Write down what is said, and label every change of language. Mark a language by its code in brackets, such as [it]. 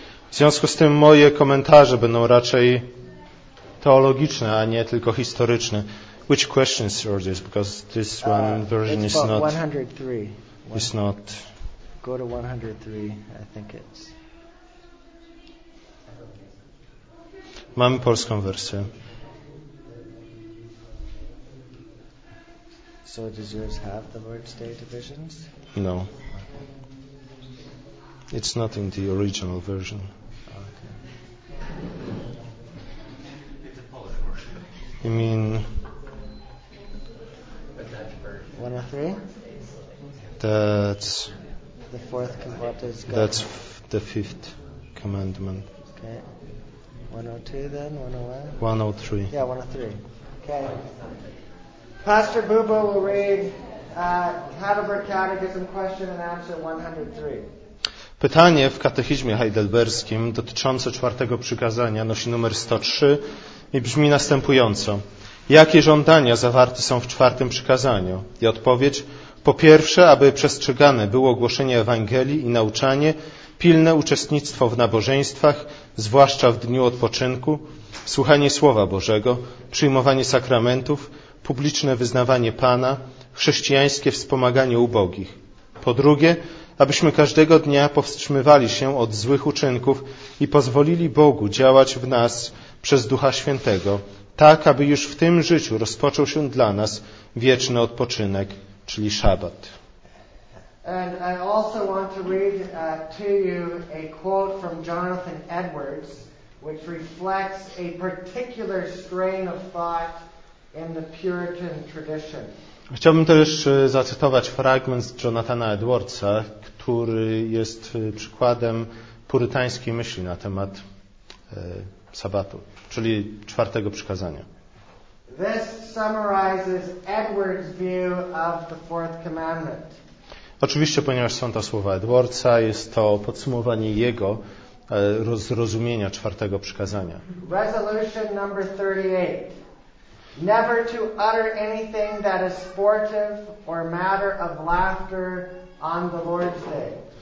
[pl] W związku z tym moje komentarze będą raczej teologiczne, a nie tylko historyczne. [en] Which questions are these? Because this one version is not. 103. It's not. Go to 103. I think it's. [pl] Mamy polską wersję. [en] So does yours have the Lord's Day divisions? No. It's not in the original version. Okay. It's a Polish version. You mean? One of three? That's. The fourth commandment is God. That's the fifth commandment. Okay. 102 then? 101? 103. Yeah, 103. Okay. Pastor Bubo will read Heidelberg Catechism question and answer 103. [pl] Pytanie w katechizmie heidelberskim dotyczące czwartego przykazania nosi numer 103 i brzmi następująco. Jakie żądania zawarte są w czwartym przykazaniu? I odpowiedź: po pierwsze, aby przestrzegane było głoszenie Ewangelii i nauczanie, pilne uczestnictwo w nabożeństwach, zwłaszcza w dniu odpoczynku, słuchanie Słowa Bożego, przyjmowanie sakramentów, publiczne wyznawanie Pana, chrześcijańskie wspomaganie ubogich. Po drugie, abyśmy każdego dnia powstrzymywali się od złych uczynków i pozwolili Bogu działać w nas przez Ducha Świętego, tak aby już w tym życiu rozpoczął się dla nas wieczny odpoczynek, czyli szabat. [en] And I also want to read to you a quote from Jonathan Edwards, which reflects a particular strain of thought in the Puritan tradition. [pl] Chciałbym też zacytować fragment z Jonathana Edwardsa, który jest przykładem purytańskiej myśli na temat sabatu, czyli czwartego przykazania. [en] This summarizes Edwards' view of the fourth commandment. [pl] Oczywiście, ponieważ są to słowa Edwardsa, jest to podsumowanie jego zrozumienia czwartego przykazania. [en] Resolution number 38. Never to utter anything that is sportive or matter of laughter on the Lord's Day.